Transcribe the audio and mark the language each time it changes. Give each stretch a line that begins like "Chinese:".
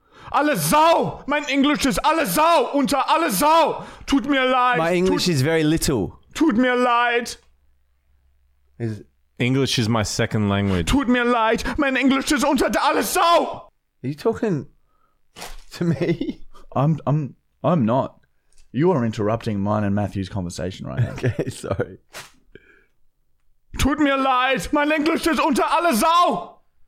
German: Alle Sau, mein Englisch ist alle Sau, unter alle Sau. Tut mir leid.
English: My English is very little.
German: Tut mir leid.
English: English is my second language.
German: Tut mir leid, mein Englisch ist unter alle Sau.
English: Are you talking to me? I'm not. You are interrupting mine and Matthew's conversation right now. Okay, sorry.
German: Tut mir leid, mein Englisch ist unter alle Sau.